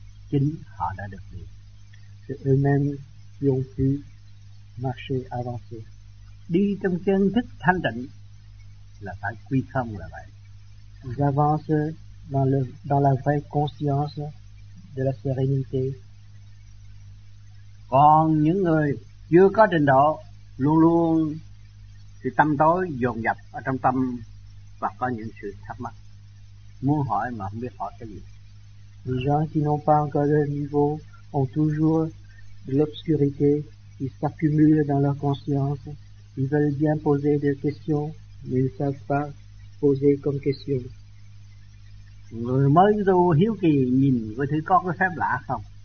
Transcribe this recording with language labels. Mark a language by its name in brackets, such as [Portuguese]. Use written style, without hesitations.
[French] C'est eux-mêmes qui ont pu marcher, avancer. [Vietnamese] Đi trong chân thức thanh tịnh là phải quy không là vậy. [French] Ils avancent dans la vraie conscience de la sérénité. [Vietnamese] Còn những người chưa có trình độ, luôn luôn thì tâm tối dồn dập ở trong tâm và có những sự thắc mắc, muốn hỏi mà không biết hỏi cái gì. [French] Les gens qui n'ont pas encore de niveau ont toujours de l'obscurité qui s'accumule dans leur conscience. Ils veulent bien poser des questions, mais ils ne savent pas poser comme question. [Vietnamese] Người mới tu hiếu kỳ nhìn coi thứ có cái phép lạ không.